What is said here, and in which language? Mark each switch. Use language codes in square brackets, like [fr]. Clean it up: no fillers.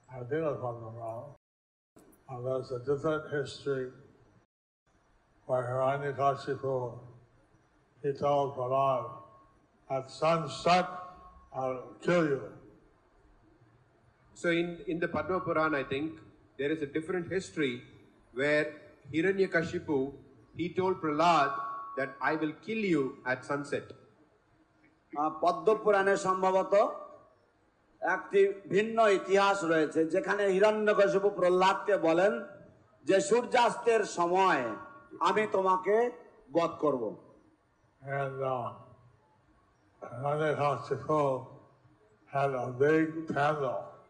[en] And there's a different history where Hiranyakashipu, he told Prahlad, at sunset, I'll kill you. So in the Padma Purana, I think, there is a different history where Hiranyakashipu, he told Prahlad that I will kill you at sunset. Padma Purana Sambhavata. [bn] একটি ভিন্ন ইতিহাস রয়েছে যেখানে হিরণ্যকশিপু প্রহ্লাদকে বলেন যে সূর্যাস্তের সময় আমি তোমাকে বধ করব. [en] And Hiranyakashipu had a big candle,